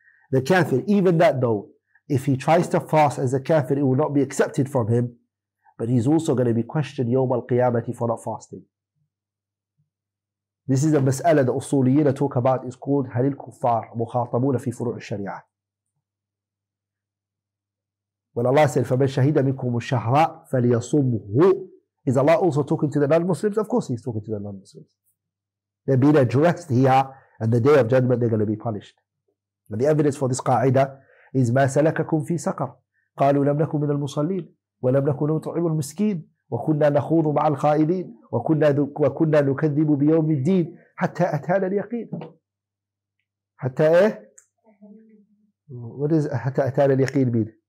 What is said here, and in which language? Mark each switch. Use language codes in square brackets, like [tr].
[en] The kafir, even that though, if he tries to fast as a kafir, it will not be accepted from him. But he's also going to be questioned [ar] يوم القيامة [en] for not fasting. This is a mas'ala the usuliyina talk about. It's called [ar] هل الكفار مخاطبون في فروع الشريعة. [en] When Allah said [ar] فمن شهد منكم الشهر فليصمه, [en] is Allah also talking to the non-Muslims? Of course he's talking to the non-Muslims. They're being addressed here, and the day of judgment they're going to be punished. And the evidence for this qa'ida is [ar] ما سلككم في سقر قالوا لم نكن من المصلين ولم نكن نطعم المسكين وكنا نخوض مع الخائضين وكنا نكذب بيوم الدين حتى أتانا اليقين. حتى إيه؟ [en] What is [ar] حتى أتانا اليقين mean?